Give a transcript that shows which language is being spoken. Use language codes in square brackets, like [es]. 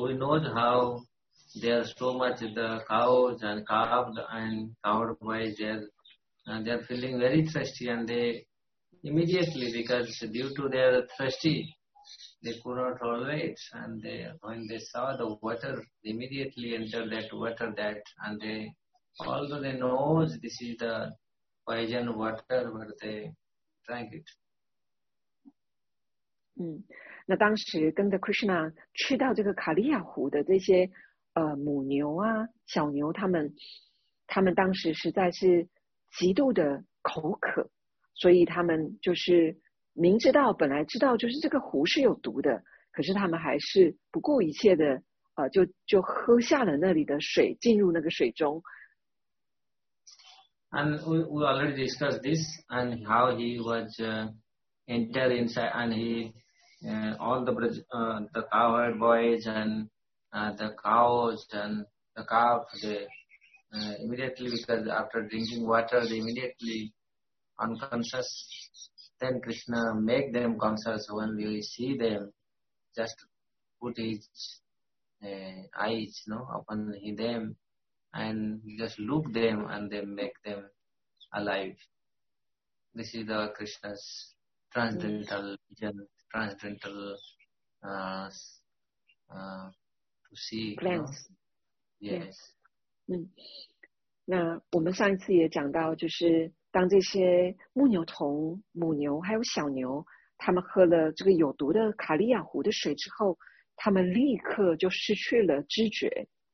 [en] we know how there are so much the cows and calves and cowherd boys there, and they are feeling very thirsty, and they immediately, because due to their thirsty, they could not tolerate, and they, when they saw the water, they immediately entered that water, that, and they, although they know this is the poison water, but they drank it. [zh] 那当时跟着 Krishna 去到这个卡利亚湖的这些母牛啊、小牛，他们当时实在是极度的口渴，所以他们就是 明知道本来知道就是这个湖是有毒的，可是他们还是不顾一切的，就喝下了那里的水，进入那个水中。And [en] we already discussed this and how he was entered inside, and he all the cowherd boys and the cows and the calf, they immediately, because after drinking water, they immediately unconscious. Then Krishna make them conscious. When we see them, just put his eyes, you know, upon them, and just look them, and they make them alive. This is the Krishna's transcendental vision, transcendental to see. Glance. You know? Yes. [zh] 那我们上一次也讲到，就是当这些牧牛童、母牛还有小牛，他们喝了这个有毒的卡利亚湖的水之后，他们立刻就失去了知觉。